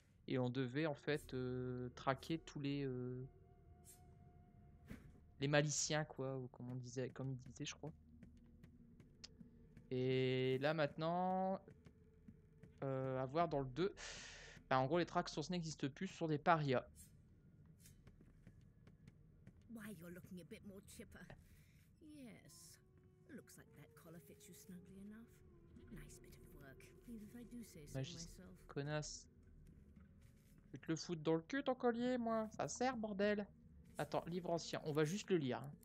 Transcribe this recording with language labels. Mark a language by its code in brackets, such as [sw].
[fr] Et on devait en fait traquer tous les maliciens quoi, ou comme il disait je crois. Et là maintenant, à voir dans le 2, ben, en gros les tracks source n'existent plus, sur des parias. [en] Why you're looking a bit more chipper. Yes, looks like that collar fits you snugly enough. Nice bit of work, even if I do say so myself. [fr] Connasse. Je vais te le foutre dans le cul ton collier, moi. Ça sert, bordel. Attends, livre ancien. On va juste le lire.